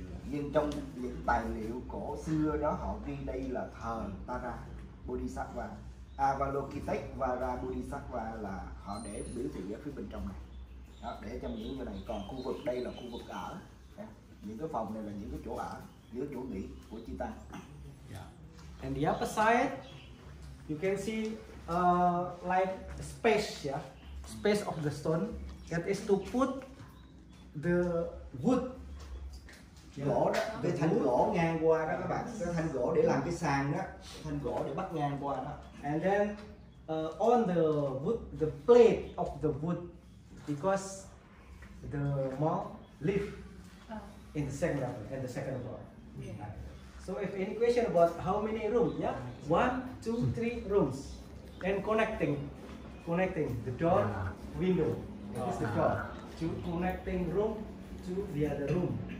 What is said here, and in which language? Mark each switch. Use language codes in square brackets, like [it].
[vi] Nhưng trong những tài liệu cổ xưa đó họ ghi đây là thờ Tara Bodhisattva. Avalokiteshvara Bodhisattva là họ để biểu thị ở phía bên trong này. Đó, để trong những cái này. Còn khu vực đây là khu vực ở. Những cái phòng này là những cái chỗ ở, những chỗ nghỉ của chúng ta. [en] Yeah. And the upper side you can see like space, yeah. Space of the stone that is to put the wood. Yeah. [vi] Gỗ đó, cái thanh gỗ ngang qua đó các bạn, cái thanh gỗ để làm cái sàn đó, thanh gỗ để bắt ngang qua đó. [en] And then on the wood, the plate of the wood, because the monk live in the second level and the second floor. Yeah. So if any question about how many rooms, yeah, 1, 2, 3 rooms, and connecting the door, window, is the door to connecting room to the other room.